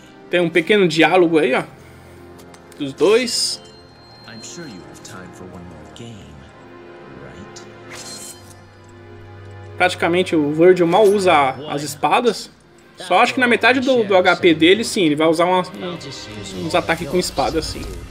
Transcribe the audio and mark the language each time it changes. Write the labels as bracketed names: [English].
[Portuguese] Tem um pequeno diálogo aí, ó, dos dois. [English] I'm sure you have time for one more game, right? [Portuguese] Praticamente o Virgil mal usa as espadas. Só acho que na metade do HP dele, sim, ele vai usar uns ataques com espada, sim.